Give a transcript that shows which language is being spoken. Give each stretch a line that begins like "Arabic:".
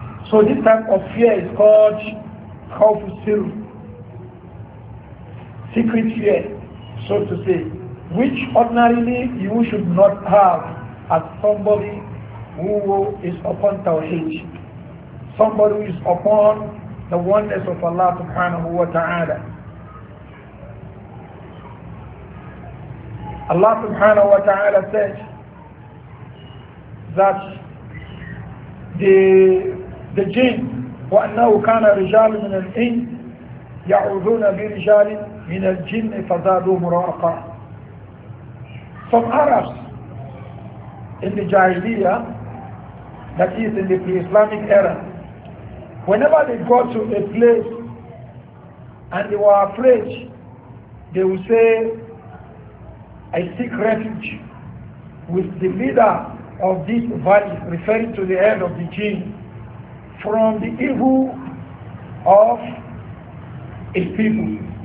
English: So this type of fear is called khawf al-sirr, secret fear, so to say, which ordinarily you should not have as somebody who is upon tawheed, somebody who is upon the oneness of Allah subhanahu wa ta'ala. Allah subhanahu wa ta'ala said that the jinn,
Arabic: وَأَنَّهُ كَانَ رِجَالٌ مِنَ الْإِنْسِ يَعُوذُونَ بِرِجَالٍ مِنَ الْجِنِّ فَزَادُوهُمْ رَهَقًا.
English: Some Arabs in the Jahiliyyah, that is in the pre-Islamic era, whenever they go to a place and they were afraid, they would say, I seek refuge with the leader of this valley, referring to the head of the jinn, from the evil of a people.